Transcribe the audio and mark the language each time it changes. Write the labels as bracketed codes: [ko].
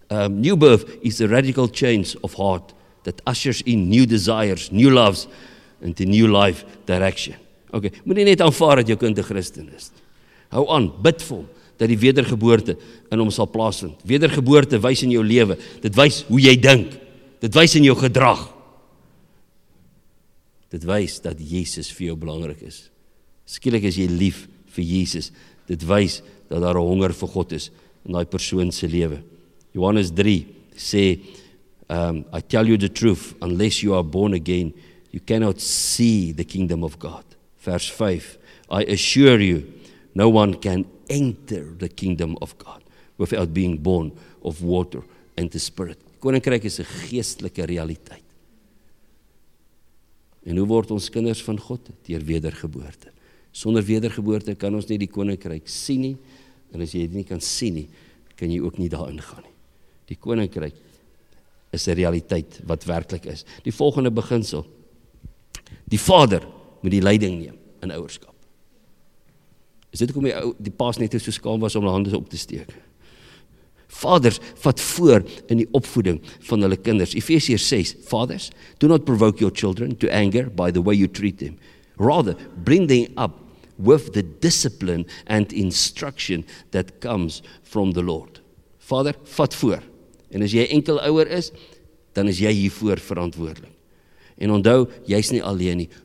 [en] New birth is a radical change of heart that ushers in new desires, new loves, and a new life direction. [af] Okay, moet nie net aanvaar dat jou kind 'n Christen is. Hou aan, bid vir hom, dat die wedergeboorte in hom sal plaasvind. Wedergeboorte wys in jou lewe, dit wys hoe jy dink, dit wys in jou gedrag. Dit wys dat Jesus vir jou belangrik is. Skielik is jy lief vir Jesus, dit wys dat daar 'n honger vir God is in daai persoon se lewe. Johannes 3 sê, [en] I tell you the truth, unless you are born again, you cannot see the kingdom of God. [af] Vers 5, [en] I assure you, no one can enter the kingdom of God without being born of water and the Spirit. [af] Koninkryk is 'n geestelike realiteit. En hoe word ons kinders van God? Deur wedergeboorte. Sonder wedergeboorte kan ons nie die koninkryk sien nie, en as jy dit nie kan sien nie, kan jy ook nie daarin gaan nie. Die koninkryk is 'n realiteit wat werklik is. Die volgende beginsel. Die vader moet die leiding neem in ouerskap. Is dit hoekom die paas net so skaam was om hulle hande op te steek? Vaders vat voor in die opvoeding van hulle kinders. [en] Efesiërs 6, fathers, do not provoke your children to anger by the way you treat them. Rather, bring them up with the discipline and instruction that comes from the Lord. [af] Vader, vat voor. En as jy enkel ouer is, dan is jy hiervoor verantwoordelik. En onthou, jy's nie alleen nie.